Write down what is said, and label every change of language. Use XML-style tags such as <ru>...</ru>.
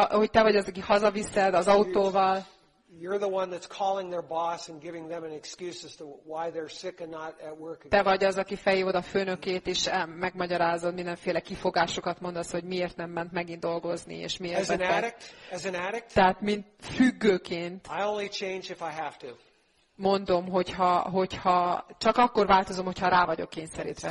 <hu>Te vagy az, aki hazaviszed az autóval.</hu> <en>You're the one that's calling their boss and giving them an excuse as to why they're sick and not at work.</en> <hu>Te vagy az, aki felhívod a főnökét és megmagyarázod, mindenféle kifogásokat mondasz, hogy miért nem ment megint dolgozni és miért vette.</hu> <en>As an addict.</en> <hu>Tehát mint függőként.</hu> <en>I only change if I have to.</en> <hu>Mondom, hogyha csak akkor változom, hogyha rá vagyok kényszerítve.</hu>